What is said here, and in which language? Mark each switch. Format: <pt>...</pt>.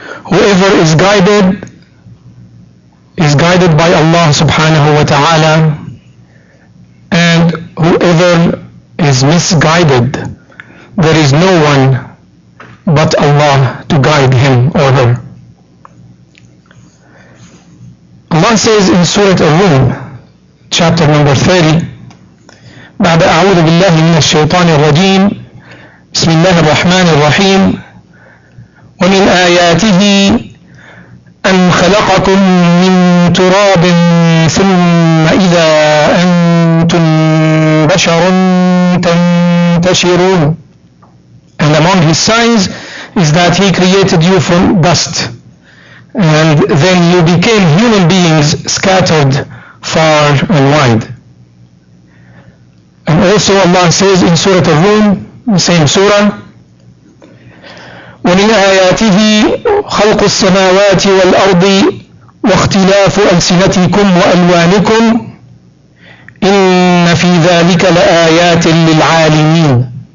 <en>Whoever is guided by Allah subhanahu wa ta'ala, and whoever is misguided, there is no one but Allah to guide him or her. Allah says in Surah Al-Rum, chapter number 30,</en> <ar>بعد أعوذ بالله من الشيطان الرجيم بسم الله الرحمن الرحيم ومن آياته أن خلقكم من تراب ثم إذا أنتم بشر تنتشرون.</ar> <en>And among his signs is that he created you from dust, and then you became human beings scattered far and wide. And also Allah says in Surah Al-Rum, the same surah,</en> <ar>وَمِنْ آيَاتِهِ خَلْقُ السَّمَاوَاتِ وَالْأَرْضِ وَاخْتِلَافُ أَلْسِنَتِكُمْ وَأَلْوَانِكُمْ إِنَّ فِي ذَلِكَ لَآيَاتٍ لِلْعَالِمِينَ.</ar>